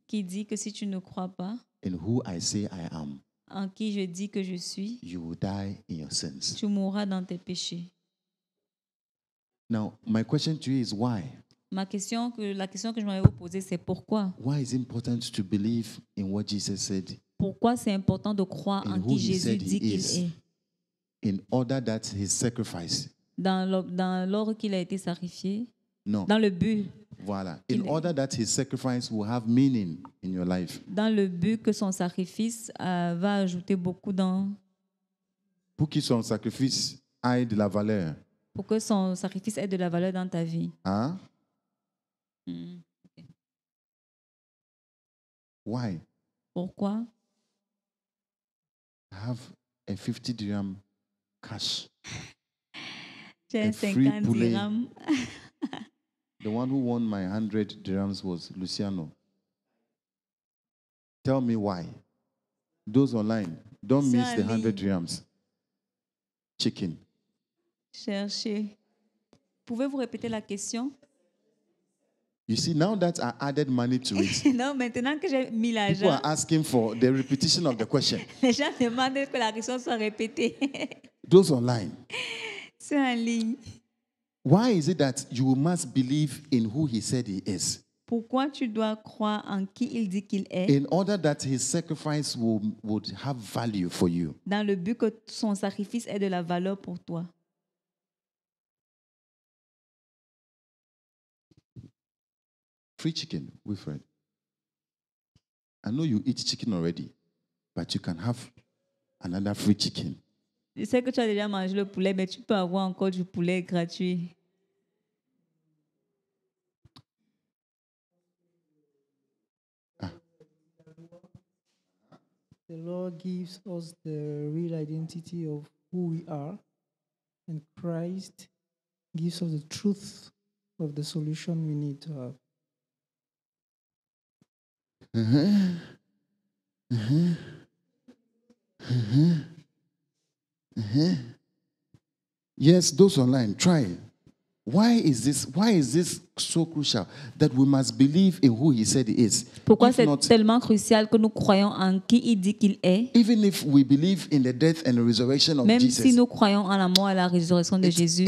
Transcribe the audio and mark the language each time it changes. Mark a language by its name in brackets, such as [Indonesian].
[French] qui dit que si tu ne crois pas [English] in who I say I am, [French] en qui je dis que je suis, [English] you will die in your sins. [French] Tu mourras dans tes péchés. [English] Now, my question to you is why? [French] La question que je m'avais vous poser, c'est pourquoi? [English] Why is it important to believe in what Jesus said? [French] Pourquoi c'est important de croire en qui Jésus dit qu'il est? [English] In order that his sacrifice. [French] Dans l'ordre qu'il a été sacrifié. Non. Dans le but. Voilà. [English] In order that his sacrifice will have meaning in your life. [French] Dans le but que son sacrifice va ajouter beaucoup dans. Pour que son sacrifice ait de la valeur. Pour que son sacrifice ait de la valeur dans ta vie. Hein? [English] Why? [French] Pourquoi? [English] Have a 50 dirham. Cash. [French] J'ai 50 dirhams. [English] The one who won my 100 dirhams was Luciano. Tell me why. Those online, don't miss the 100 dirhams. Chicken. [French] Cherchez. Pouvez-vous répéter la question? [English] You see, now that I added money to it, [French] non, maintenant que j'ai mis l'argent, [English] people are asking for the repetition of the question. [French] Les gens demandent que la question soit répétée. [English] Those online. [French] C'est en ligne. [English] Why is it that you must believe in who he said he is? [French] Pourquoi tu dois croire en qui il dit qu'il est? [English] In order that his sacrifice would have value for you. [French] Dans le but que son sacrifice ait de la valeur pour toi. [English] Free chicken, Wilfred. I know you eat chicken already, but you can have another free chicken. [French] Je sais que tu as déjà mangé le poulet, mais tu peux avoir encore du poulet gratuit. Ah. [English] The Lord gives us the real identity of who we are, and Christ gives us the truth of the solution we need to have. Yes, those online, try. Why is this so crucial that we must believe in who he said he is? [French] Pourquoi c'est tellement crucial que nous croyons en qui il dit qu'il est? [English] Even if we believe in the death and the resurrection of [French] même [English] Jesus, [French] même si nous croyons en la mort et la résurrection de Jésus,